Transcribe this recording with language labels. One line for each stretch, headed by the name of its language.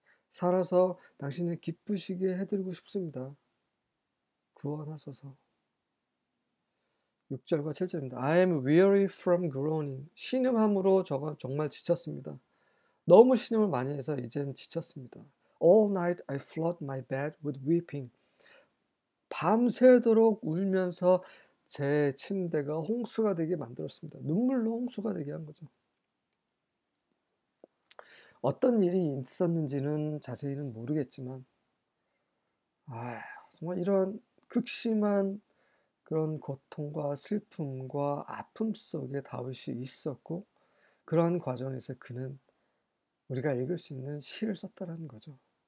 Korean: 살아서 당신을 기쁘시게 해드리고 싶습니다. 구원하소서. 6절과 7절입니다.
English: I am weary from groaning.
Korean: 신음함으로 저가 정말 지쳤습니다. 너무 신음을 많이 해서 이제는 지쳤습니다.
English: All night I flood my bed with weeping.
Korean: 밤새도록 울면서 제 침대가 홍수가 되게 만들었습니다. 눈물로 홍수가 되게 한 거죠. 어떤 일이 있었는지는 자세히는 모르겠지만, 아, 정말 이런 극심한 그런 고통과 슬픔과 아픔 속에 다윗이 있었고, 그러한 과정에서 그는 우리가 읽을 수 있는 시를 썼다라는 거죠.